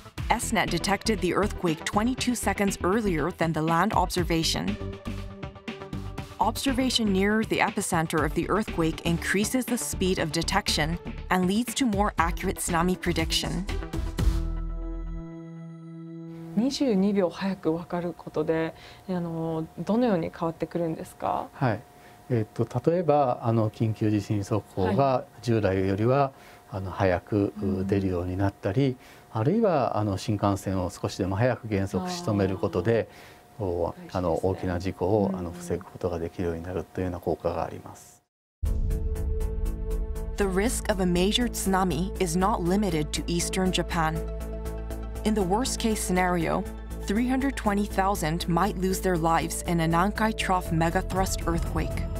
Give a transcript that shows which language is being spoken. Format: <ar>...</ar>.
<en>SNET detected the earthquake 22 seconds earlier than the land observation. Observation nearer the epicenter of the earthquake increases the speed of detection and leads to more accurate tsunami prediction.</en> <ja>22秒早く分かることで、どのように変わってくるんですか？はい。例えば、緊急地震速報が従来よりは、早く出るようになったり、あるいは、新幹線を少しでも早く減速し止めることで、大きな事故を防ぐことができるようになるというような効果があります。</ja> <en>The risk of a major tsunami is not limited to eastern Japan. In the worst case scenario, 320,000 might lose their lives in a Nankai Trough megathrust earthquake.</en>